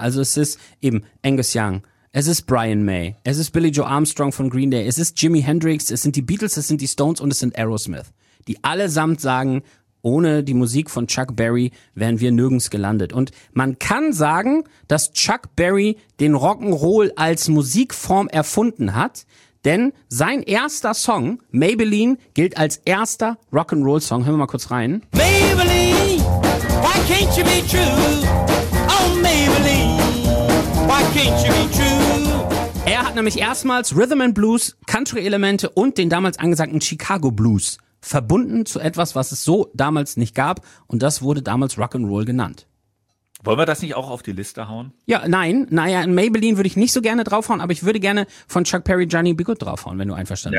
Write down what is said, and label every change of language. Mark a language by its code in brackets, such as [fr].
[de] Also es ist eben Angus Young, es ist Brian May, es ist Billy Joe Armstrong von Green Day, es ist Jimi Hendrix, es sind die Beatles, es sind die Stones und es sind Aerosmith, die allesamt sagen, ohne die Musik von Chuck Berry wären wir nirgends gelandet. Und man kann sagen, dass Chuck Berry den Rock'n'Roll als Musikform erfunden hat, denn sein erster Song, Maybelline, gilt als erster Rock'n'Roll-Song. Hören wir mal kurz rein. [en] Maybelline, why can't you be true? Oh Maybelline, why can't you be true? [de] Er hat nämlich erstmals Rhythm and Blues, Country-Elemente und den damals angesagten Chicago Blues verbunden zu etwas, was es so damals nicht gab, und das wurde damals Rock'n'Roll genannt. Wollen wir das nicht auch auf die Liste hauen? Ja, nein. Naja, Maybelline würde ich nicht so gerne draufhauen, aber ich würde gerne von Chuck Berry Johnny Be Good draufhauen, wenn du einverstanden